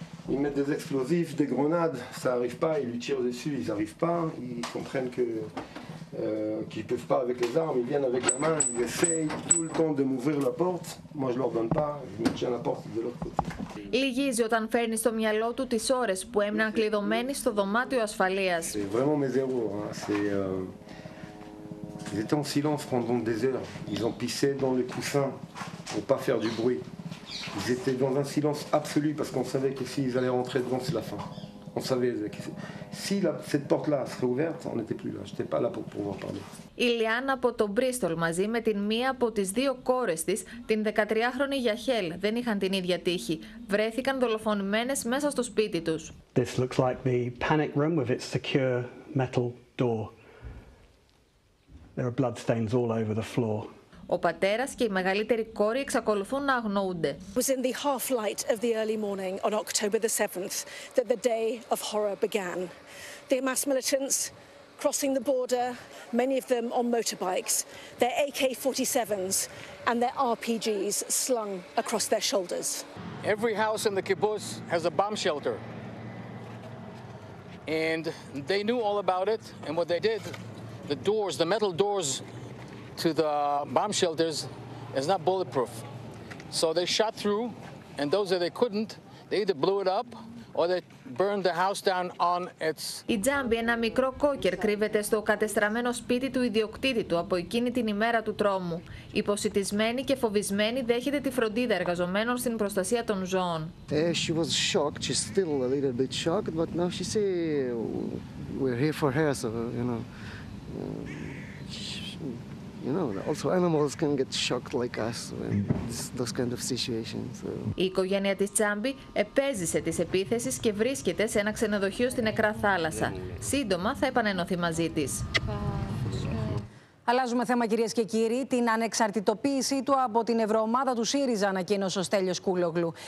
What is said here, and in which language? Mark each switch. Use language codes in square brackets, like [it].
[fr] Ils mettent des explosifs, des grenades, ça n'arrive pas, ils lui tirent dessus, ils n'arrivent pas, ils comprennent que, qu'ils ne peuvent pas avec les armes, ils viennent avec la main, ils essayent tout le temps de m'ouvrir la porte, moi je ne leur donne pas, je me tiens la porte de l'autre côté. [el] Λυγίζει όταν φέρνει στο μυαλό του τις ώρες που έμειναν κλειδωμένοι στο δωμάτιο ασφαλείας. [fr] C'est vraiment mes erreurs, c'est... Ils étaient en silence pendant des heures, ils ont pissé dans les coussins pour ne pas faire du bruit. Ils étaient dans un silence absolu parce qu'on savait que s'ils allaient rentrer dedans, c'est la fin. On savait que si cette porte-là serait ouverte, on n'était plus là. J'étais pas là pour pouvoir parler. [el] Η Λιάν από το Μπρίστολ μαζί με την μία από τις δύο κόρες της, την 13χρονη Γιαχέλ, δεν είχαν την ίδια τύχη. Βρέθηκαν δολοφονημένες μέσα στο σπίτι τους. [en] This looks like the panic room with its secure metal door. There are blood stains all over the floor. [el] Ο πατέρας και η μεγαλύτερη κόρη εξακολουθούν να αγνοούνται. [en] It was in the half light of the early morning on October the 7th that the day of horror began. The Hamas militants crossing the border, many of them on motorbikes, their AK-47s and their RPGs slung across their shoulders. Every house in the kibbutz has a bomb shelter. And they knew all about it and what they did, the doors, the metal doors to the bomb shelters is not bulletproof. So they shot through, and those that they couldn't, they either blew it up or they burned the house down on its. [el] Η Τζάμπι, ένα μικρό κόκερ, κρύβεται στο κατεστραμμένο σπίτι του ιδιοκτήτη του από εκείνη την ημέρα του τρόμου. Υποσιτισμένη και φοβισμένη, δέχεται τη φροντίδα εργαζομένων στην προστασία των ζώων. [en] She was shocked. She's still a little bit shocked, but now she say we're here for her, so you know. You know, also animals can get shocked like us in those kind of situations. [el] Η οικογένεια της Τζάμπι επέζησε τις επίθεσεις και βρίσκεται σε ένα ξενοδοχείο στην Εκρά Θάλασσα. Σύντομα θα επανενωθεί μαζί της. Αλλάζουμε θέμα, κυρίες και κύριοι. Την ανεξαρτητοποίησή του από την Ευρωομάδα του ΣΥΡΙΖΑ ανακοίνωσε ο Στέλιος Κούλογλου.